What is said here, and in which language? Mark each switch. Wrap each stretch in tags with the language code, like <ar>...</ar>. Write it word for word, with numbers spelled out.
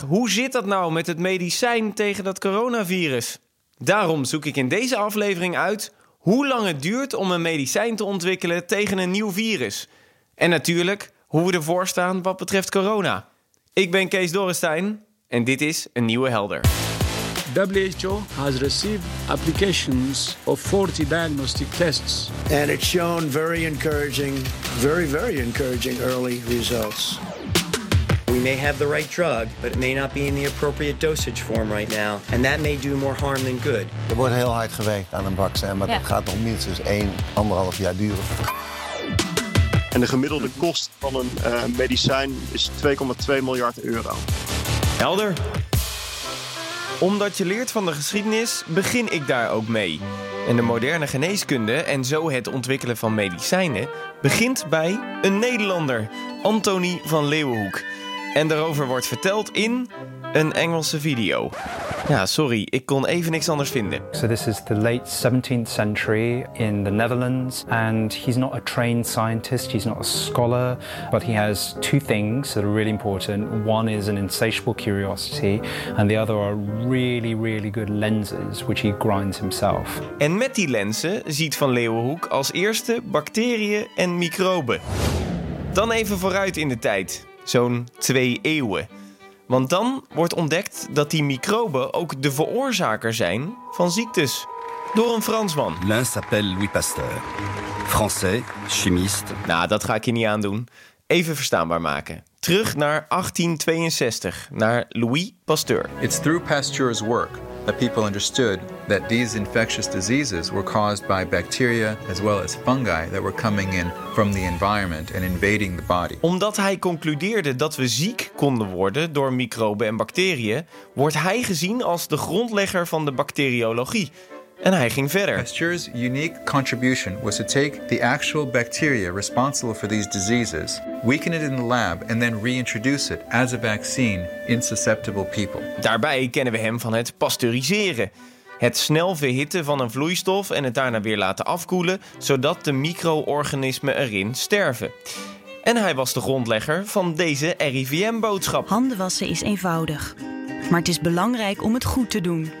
<nl>Hoe zit dat nou met het medicijn tegen dat coronavirus? Daarom zoek ik in deze aflevering uit hoe lang het duurt om een medicijn te ontwikkelen tegen een nieuw virus. En natuurlijk hoe we ervoor staan wat betreft corona. Ik ben Kees Dorrestein en dit is Een Nieuwe Helder.</nl> <en>W H O has received applications of forty diagnostic tests. And it's shown very encouraging, very, very encouraging early results. We may have the right drug, but it may not be in the appropriate dosage form right now. And that may do more harm than good.</en> <nl>Er wordt heel hard gewerkt aan een vaccin, maar ja. Dat gaat nog minstens één, anderhalf jaar duren. En de gemiddelde kost van een uh, medicijn is twee komma twee miljard euro. Helder. Omdat je leert van de geschiedenis, begin ik daar ook mee. En de moderne geneeskunde en zo het ontwikkelen van medicijnen... begint bij een Nederlander, Anthony van Leeuwenhoek... En daarover wordt verteld in een Engelse video. Ja, sorry, ik kon even niks anders vinden.</nl> <en>So this is the late seventeenth century in the Netherlands. And he's not a trained scientist, he's not a scholar. But he has two things that are really important. One is an insatiable curiosity. And the other are really, really good lenses, which he grinds himself.</en> <nl>En met die lenzen ziet Van Leeuwenhoek als eerste bacteriën en microben. Dan even vooruit in de tijd. Zo'n twee eeuwen. Want dan wordt ontdekt dat die microben ook de veroorzaker zijn van ziektes. Door een Fransman.</nl> <fr>L'un s'appelle Louis Pasteur. Français, chimiste.</fr> <nl>Nou, dat ga ik je niet aandoen. Even verstaanbaar maken. Terug naar achttien tweeënzestig, naar Louis Pasteur.</nl> <en>It's through Pasteur's work that people understood that these infectious diseases were caused by bacteria as well as fungi that were coming in from the environment and invading the body.</en> <nl>Omdat hij concludeerde dat we ziek konden worden door microben en bacteriën, wordt hij gezien als de grondlegger van de bacteriologie. En hij ging verder.</nl> <en>Pasteur's unique contribution was to take the actual bacteria responsible for these diseases, weaken it in the lab and then reintroduce it as a vaccine in susceptible people.</en> <nl>Daarbij kennen we hem van het pasteuriseren. Het snel verhitten van een vloeistof en het daarna weer laten afkoelen, zodat de micro-organismen erin sterven. En hij was de grondlegger van deze R I V M-boodschap. Handen wassen is eenvoudig. Maar het is belangrijk om het goed te doen.</nl>